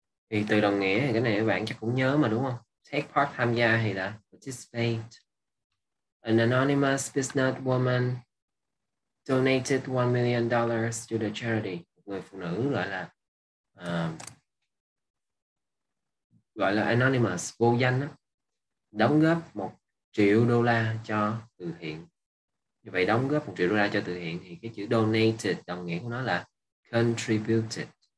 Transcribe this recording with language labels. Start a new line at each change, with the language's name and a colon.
Vietnamese: Thì từ đồng nghĩa thì cái này các bạn chắc cũng nhớ mà đúng không? Take part, tham gia, thì là participate.
English: An anonymous business woman donated $1 million to the charity.
Vietnamese: Người phụ nữ gọi là anonymous, vô danh, đóng góp $1 triệu cho từ thiện. Như vậy đóng góp $1 triệu cho từ thiện thì cái chữ donated đồng nghĩa của nó là contributed.